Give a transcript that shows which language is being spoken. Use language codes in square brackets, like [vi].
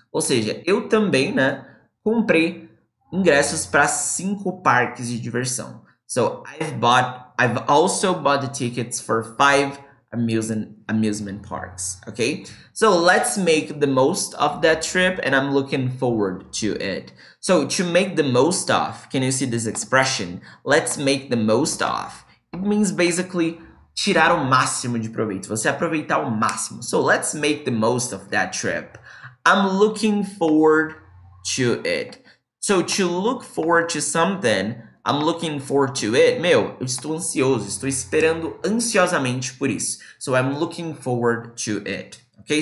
[pt] Ou seja, eu também, né, comprei ingressos para 5 parques de diversão. [en] So, I've also bought the tickets for 5 amusement parks, okay? So, let's make the most of that trip, and I'm looking forward to it. So, to make the most of, can you see this expression? Let's make the most of. It means basically [pt] tirar o máximo de proveito. Você aproveitar o máximo. [en] So, let's make the most of that trip. I'm looking forward to it. So, to look forward to something, I'm looking forward to it. [pt] Meu, eu estou ansioso. Estou esperando ansiosamente por isso. [en] So, I'm looking forward to it. Okay?